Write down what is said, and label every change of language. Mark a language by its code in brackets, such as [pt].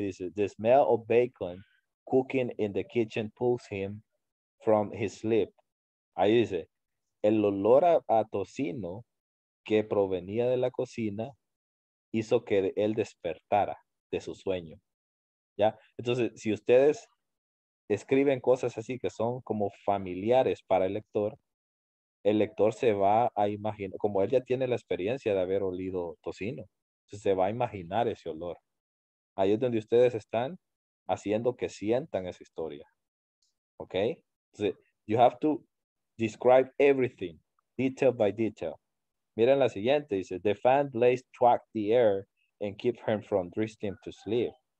[es] Dice, [en] the smell of bacon cooking in the kitchen pulls him from his sleep. [es] Ahí dice, el olor a tocino que provenía de la cocina hizo que él despertara de su sueño. ¿Ya? Entonces, si ustedes escriben cosas así que son como familiares para el lector se va a imaginar, como él ya tiene la experiencia de haber olido tocino, se va a imaginar ese olor. Ahí es donde ustedes están haciendo que sientan esa historia. ¿Ok? Entonces, [en] you have to describe everything, detail by detail. [es] Miren la siguiente, dice, [en] the fan blades track the air and keep him from drifting to sleep.